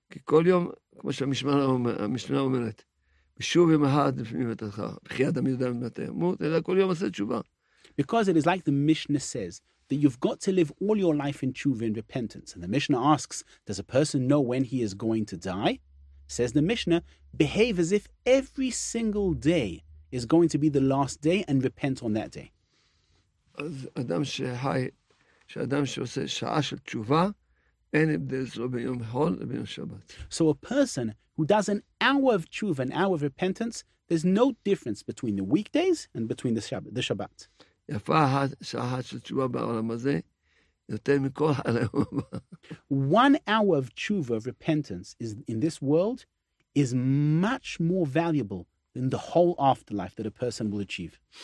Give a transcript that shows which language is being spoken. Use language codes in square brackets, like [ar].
[en] Because it is like the Mishnah says, that you've got to live all your life in tshuva and repentance. And the Mishnah asks, does a person know when he is going to die? Says the Mishnah, behave as if every single day is going to be the last day and repent on that day. [he] אדם שחי, שאדם שעושה שעה של תשובה, אין הבדל אצלו ביום חול וביום שבת. [en] So a person who does an hour of tshuva, an hour of repentance, there's no difference between the weekdays and between the Shabbat. [he] יפה שעה של תשובה בעולם הזה, יותר מכל הלאום. [en] One hour of tshuva, of repentance, is in this world, is much more valuable than the whole afterlife that a person will achieve.